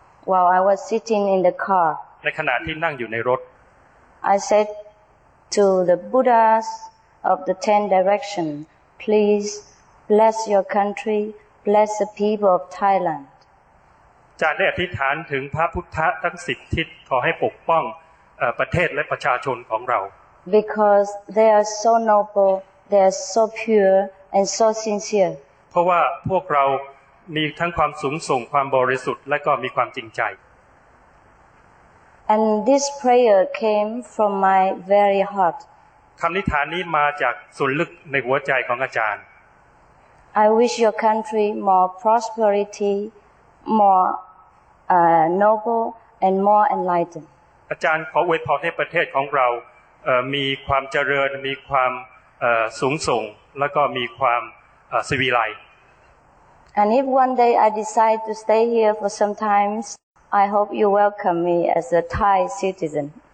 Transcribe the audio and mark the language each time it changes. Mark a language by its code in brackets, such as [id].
[en] While I was sitting in the car, [th] ในขณะที่นั่งอยู่ในรถ [en] I said to the Buddhas of the Ten Directions, please bless your country, bless the people of Thailand. [th] อาจารย์ได้อธิษฐานถึงพระพุทธะทั้ง10ทิศขอให้ปกป้องประเทศและประชาชนของเรา [en] Because they are so noble, they are so pure and so sincere [th] เพราะว่าพวกเรามีทั้งความสูงส่งความบริสุทธิ์และก็มีความจริงใจ [en] And this prayer came from my very heart [th] คำอธิษฐานนี้มาจากส่วนลึกในหัวใจของอาจารย์ [en] I wish your country more prosperitymore noble and more enlightened [th] อาจารย์ขออวยพรให้ประเทศของเรามีความเจริญมีความสูงส่งแล้วก็มีความสวีไล [en] And if one day I decide to stay here for some time I hope you welcome me as a Thai citizen